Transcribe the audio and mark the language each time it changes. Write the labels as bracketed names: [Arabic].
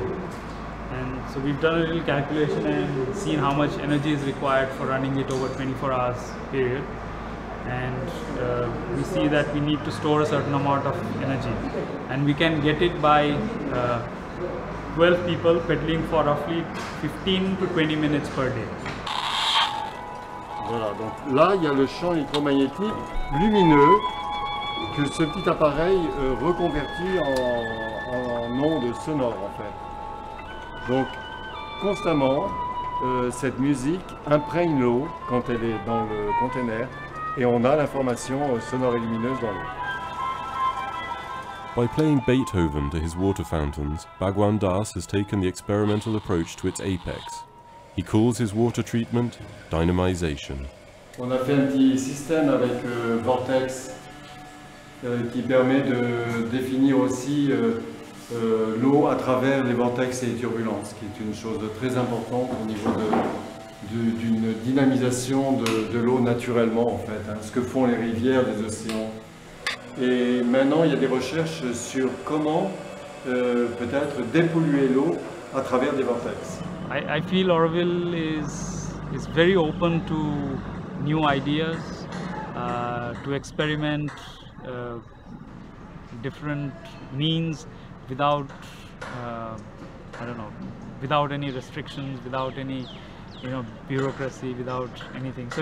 [English] And so we've done a little calculation and seen how much energy is required for running it over 24 hours period. And we see that we need to store a certain amount of energy. And we can get it by 12 people pedaling for roughly 15 to 20 minutes per day. [French] Voilà, donc là, il y a le champ électromagnétique lumineux que ce petit appareil reconvertit en onde sonore, en fait. Donc, constamment, cette musique imprègne l'eau quand elle est dans le container et on a l'information sonore et lumineuse dans l'eau. [English] By playing Beethoven to his water fountains, Bhagwan Das has taken the experimental approach to its apex. He calls his water treatment dynamization. [French] On a fait un petit système avec Vortex qui permet de définir aussi l'eau à travers les vortex et les turbulences, qui est une chose de très importante au niveau d'une dynamisation de l'eau naturellement, en fait, hein, ce que font les rivières, les océans. Et maintenant, il y a des recherches sur comment peut-être dépolluer l'eau à travers des vortex. [English] I feel Auroville is very open to new ideas, to experiment different means without, I don't know, without any restrictions, without any, you know, bureaucracy, without anything.